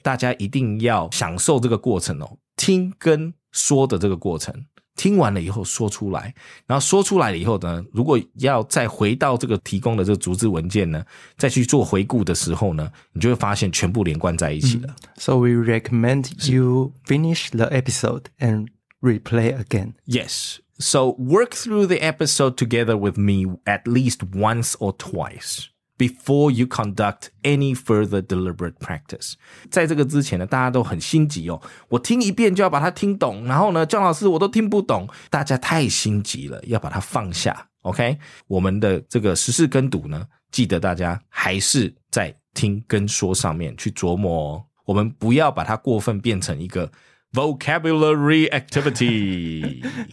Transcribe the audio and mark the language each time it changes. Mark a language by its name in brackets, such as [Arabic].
[Chinese] 大家一定要享受这个过程哦，听跟说的这个过程，听完了以后说出来，然后说出来了以后呢，如果要再回到这个提供的这个逐字文件呢，再去做回顾的时候呢，你就会发现全部连贯在一起了。 [English] So we recommend you finish the episode and replay again. Yes. So work through the episode together with me at least once or twice before you conduct any further deliberate practice. [Chinese] 在这个之前呢，大家都很心急哦，我听一遍就要把它听懂，然后呢，姜老师我都听不懂，大家太心急了，要把它放下。 OK， 我们的这个时事跟读呢，记得大家还是在听跟说上面去琢磨哦，我们不要把它过分变成一个 vocabulary activity。